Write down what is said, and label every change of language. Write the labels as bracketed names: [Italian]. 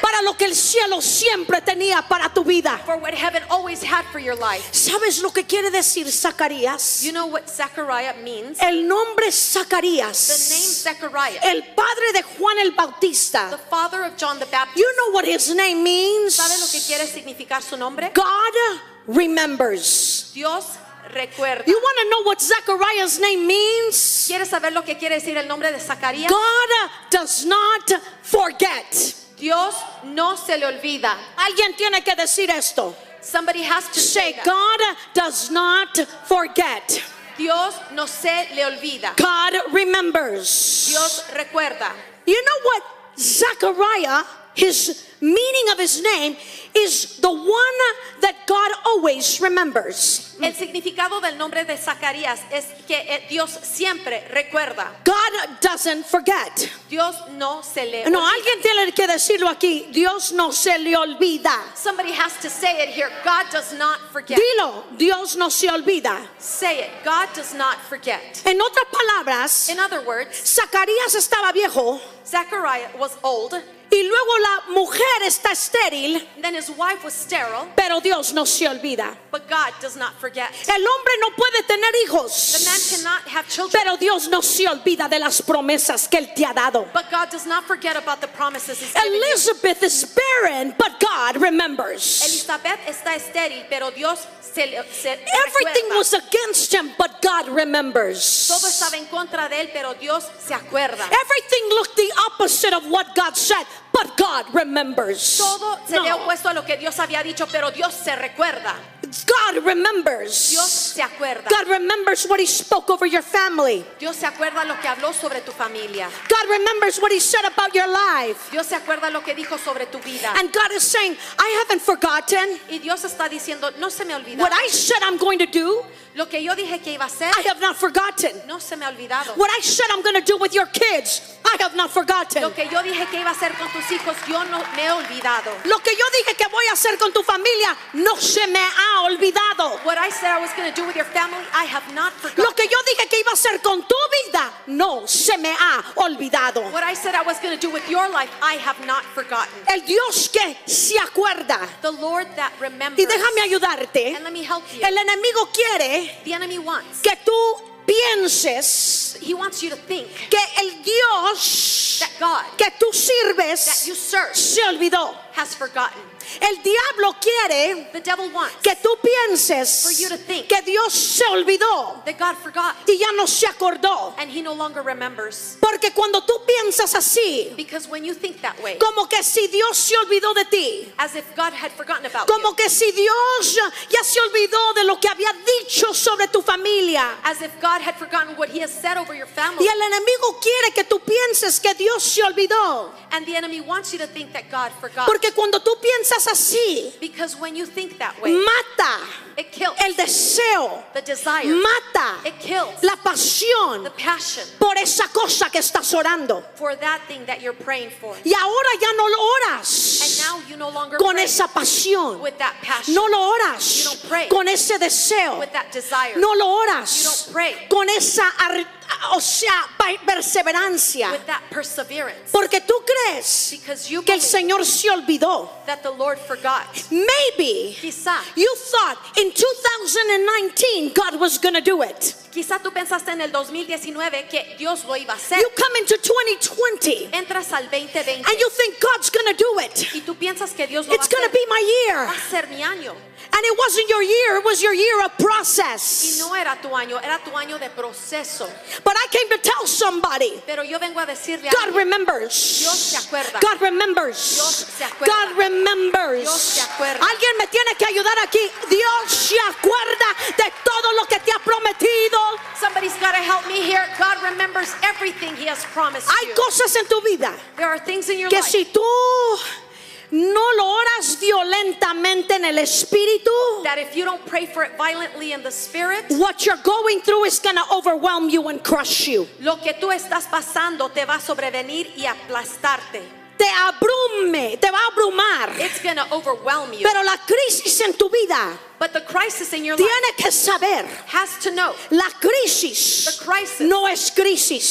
[Spanish] para lo que el cielo siempre tenía para tu vida. [English] For what heaven always had for your life. [Spanish] ¿Sabes lo que quiere decir Zacarías? [English] You know what Zechariah means? [Spanish] El nombre Zacarías, [English] the name Zechariah, [Spanish] el padre de Juan el Bautista, [English] the father of John the Baptist. You know what his name means? [Spanish] ¿Sabes lo que quiere significar su nombre? [English] God remembers. [Spanish] Dios recuerda. [English] You want to know what Zechariah's name means? [Spanish] ¿Quieres saber lo que quiere decir el nombre de Zacarías? [English] God does not forget. [Spanish] Dios no se le olvida. Alguien tiene que decir esto. [English] Somebody has to say, God does not forget. [Spanish] Dios no se le olvida. [English] God remembers. [Spanish] Dios recuerda. [English] You know what Zechariah, his meaning of his name is the one that God always remembers. [Spanish] El significado del nombre de Zacarías es que Dios siempre recuerda. [English] God doesn't forget. [Spanish] Dios no se le no, olvida. No, alguien tiene que decirlo aquí. Dios no se le olvida. [English] Somebody has to say it here. God does not forget. [Spanish] Dilo, Dios no se olvida. [English] Say it. God does not forget. [Spanish] En otras palabras, [English] in other words, [Spanish] Zacarías estaba viejo. [English] Zechariah was old. [Spanish] Y luego la mujer está estéril. [English] Then his wife was sterile, [Spanish] pero Dios no se olvida. [English] But God does not forget. [Spanish] El hombre no puede tener hijos. [English] The man cannot have children. [Spanish] Pero Dios no se olvida de las promesas que Él te ha dado. [English] But God does not forget about the promises he's Elizabeth given is barren, but God remembers. [Spanish] Elizabeth está estéril, pero Dios se [English] everything [Spanish] recuerda. [English] Was against him, but God remembers. [Spanish] Todo estaba en contra de él, pero Dios se acuerda. [English] Everything looked the opposite of what God said. But God remembers. [Spanish] Todo se le ha opuesto a lo que Dios había dicho, pero Dios se recuerda. [English] God remembers. [Spanish] Dios se acuerda. [English] God remembers what he spoke over your family. [Spanish] Dios se acuerda lo que habló sobre tu familia. [English] God remembers what he said about your life. [Spanish] Dios se acuerda lo que dijo sobre tu vida. [English] And God is saying, I haven't forgotten. [Spanish] Y Dios está diciendo, no se me ha olvidado. [English] What I said I'm going to do, [Spanish] lo que yo dije que iba a hacer, [English] I have not forgotten. [Spanish] No se me ha olvidado. [English] What I said I'm going to do with your kids, I have not forgotten. [Spanish] Lo que yo dije que iba a hacer con tus hijos, yo no me he olvidado. Lo que yo dije que voy a hacer con tu familia, no se me ha olvidado. [English] What I said I was going to do with your family, I have not forgotten. [Spanish] Lo que yo dije que iba a hacer con tu vida, no se me ha olvidado. [English] What I said I was going to do with your life, I have not forgotten. [Spanish] El Dios que se acuerda. [English] The Lord that remembers. [Spanish] Y déjame ayudarte. [English] And let me help you. [Spanish] El enemigo quiere. [English] The enemy wants. [Spanish] Que tú pienses. [English] He wants you to think. [Spanish] Que el Dios. [English] That God. [Spanish] Que tú sirves. [English] That you serve. [Spanish] Se olvidó. [English] Has forgotten. [Spanish] El diablo quiere. [English] The devil wants. [Spanish] Que tú pienses. [English] For you to think. [Spanish] Que Dios se olvidó. [English] That God forgot. [Spanish] Y ya no se acordó. [English] And he no longer remembers. [Spanish] Porque cuando tú piensas así. [English] Because when you think that way. [Spanish] Como que si Dios se olvidó de ti. [English] As if God had forgotten about [Spanish] como [English] you. [Spanish] Como que si Dios ya se olvidó de lo que había dicho sobre tu familia. [English] As if God had forgotten what he has said over your family. [Spanish] Y el enemigo quiere que tú pienses que Dios se olvidó. [English] And the enemy wants you to think that God forgot. [Spanish] Porque cuando tú piensas así, [English] because when you think that way, [Spanish] mata [English] it kills [Spanish] el deseo, [English] the desire, [Spanish] mata [English] it kills [Spanish] la pasión, [English] the passion [Spanish] por esa cosa que estás orando, [English] for that thing that you're praying for. [Spanish] Y ahora ya no lo oras, [English] and now you no longer [Spanish] con [English] pray [Spanish] esa pasión, [English] with that passion. [Spanish] No lo oras, [English] you don't pray [Spanish] con ese deseo, [English] with that desire. [Spanish] No lo oras, [English] you don't pray [Spanish] con esa o sea, perseverancia. [English] With that perseverance. [Spanish] Porque tú crees que el Señor se olvidó. [English] That the Lord forgot. Maybe [Spanish] quizá [English] you thought in 2019 God was going to do it. [Spanish] Quizá tú pensaste en el 2019 que Dios lo iba a hacer. [English] You come into 2020. [Spanish] Entras al 2020. [English] And you think God's going to do it. [Spanish] Y tú piensas que Dios lo [English] it's going to be my year. [Spanish] Va a ser mi año. [English] And it wasn't your year, it was your year of process. [Spanish] Y no era tu año, era tu año de proceso. [English] But I came to tell somebody. [Spanish] Pero yo vengo a decirle [English] God [Spanish] a [English] remembers. [Spanish] Dios se acuerda. [English] God remembers. [Spanish] Dios se acuerda. [English] God remembers. [Spanish] Dios se acuerda. Alguien me tiene que ayudar aquí. Dios se acuerda de todo lo que te ha prometido. [English] Somebody's got to help me here. God remembers everything he has promised [Spanish] hay [English] you. [Spanish] Cosas en tu vida. [English] There are things in your [Spanish] que [English] life. [Spanish] Que si tú no lo oras violentamente en el espíritu, [English] that if you don't pray for it violently in the spirit, what you're going through is going to overwhelm you and crush you. [Spanish] Lo que tú estás pasando te va a sobrevenir y aplastarte. te abrume, te va a abrumar. [English] It's going to overwhelm you. [Spanish] Pero la crisis en tu vida, [English] but the crisis in your [Spanish] tiene [English] life [Spanish] que saber, [English] has to know, [Spanish] la crisis, [English] the crisis, [Spanish] no es crisis.